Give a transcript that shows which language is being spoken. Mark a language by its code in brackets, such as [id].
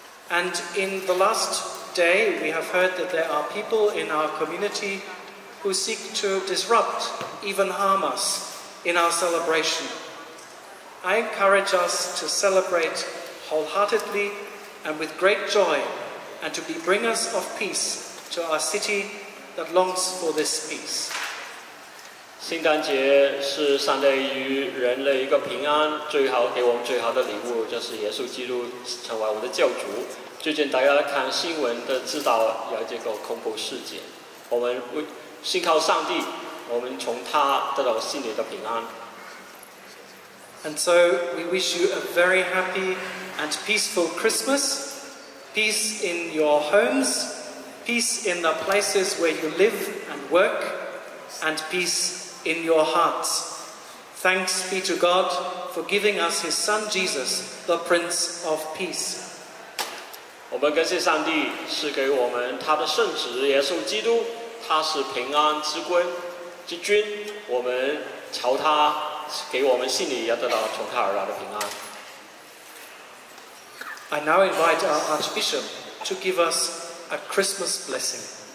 [en] And in the last day, we have heard that there are people in our community who seek to disrupt, even harm us in our celebration. I encourage us to celebrate wholeheartedly and with great joy and to be bringers of peace to our city that longs for this peace. [zh] 圣诞节是上帝与人类一个平安最好给我们最好的礼物，就是耶稣基督成为我们的救主。最近大家看新闻都知道有这个恐怖事件，我们信靠上帝，我们从他得到心里的平安。 [en] And so we wish you a very happy and peaceful Christmas. Peace in your homes, peace in the places where you live and work, and peaceIn your hearts. Thanks be to God for giving us His Son Jesus, the Prince of Peace. [zh] 我们感谢上帝赐给我们他的圣子耶稣基督，他是平安之君。我们朝他，给我们心里要得到从他而来的平安。 [en] I now invite our Archbishop to give us a Christmas blessing.